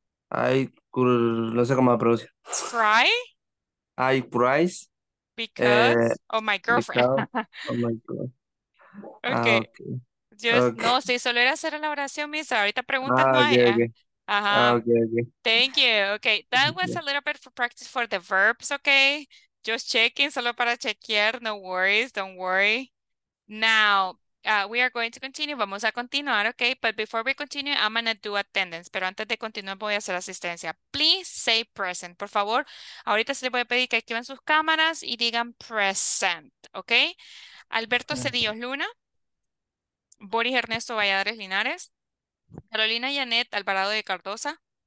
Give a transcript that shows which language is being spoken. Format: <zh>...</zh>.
<es>I, no sé cómo se pronuncia.</es> <en>Cry? I cries. Because of my girlfriend. Because of my girlfriend. Okay. Just, okay.</en> <es>No, si solo era hacer la oración, Misa. Ahorita preguntas no hay. Ajá.</es> <en>Thank you. Okay. That was a little bit for practice for the verbs, okay? Just checking,</en> <es>solo para chequear.</es> <en>No worries, don't worry. Now, we are going to continue.</en> <es>Vamos a continuar,</es> <en>okay? But before we continue, I'm going to do attendance.</en> <es>Pero antes de continuar, voy a hacer asistencia.</es> <en>Please say present,</en> <es>por favor. Ahorita se les voy a pedir que activen sus cámaras y digan present, okay? Alberto Cedillo Luna. Boris Ernesto Valladares Linares. Carolina Janet Alvarado de Cardosa.</es>